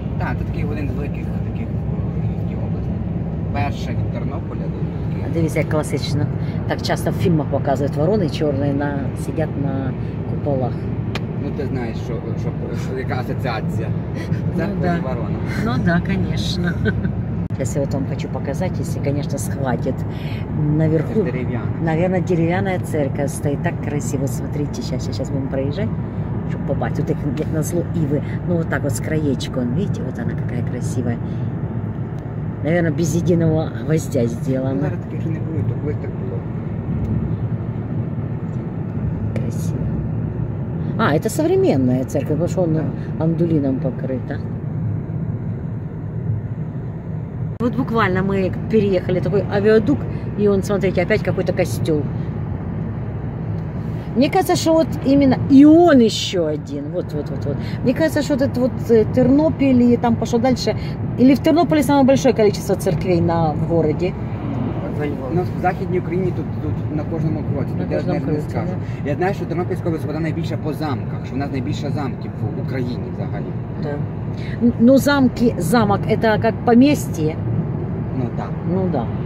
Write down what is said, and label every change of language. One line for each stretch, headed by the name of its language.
Ukrainian: Так, це такий один з великих таких області. Перша від Тернополя до Києва. Дивіться, як класично. Так часто в фільмах показують ворони чорні на сидять на куполах. Ну ти знаєш, що яка асоціація. Це ну, да. Ворона. Ну так, да, звісно.
Russian: Если вот вам хочу показать, если, конечно, схватит. Наверху, деревянная. Наверное, деревянная церковь стоит так красиво. Смотрите, сейчас будем проезжать, чтобы попасть. Вот их, как назло, ивы. Ну, вот так вот с краечком. Видите, вот она какая красивая. Наверное, без единого гвоздя сделана. Наверное, таких не будет, только вот так было. Красиво. А, это современная церковь, потому что она андулином покрыта. Вот буквально мы переехали такой авиадук, и он, смотрите, опять какой-то костёл. Мне кажется, что вот именно... И он ещё один. Вот. Мне кажется, что вот этот вот Тернополь, и там пошло дальше. Или в Тернополе самое большое количество церквей на, в городе?
Ukrainian: У нас в Західній Україні тут на кожному кроці, тут я ж не скажу. Да. Я знаю, що Тернопільська область, вона найбільша по замках, що в нас найбільше замків в Україні взагалі. Да. Ну замки, замок, це як помісті? Ну так. Да. Ну, да.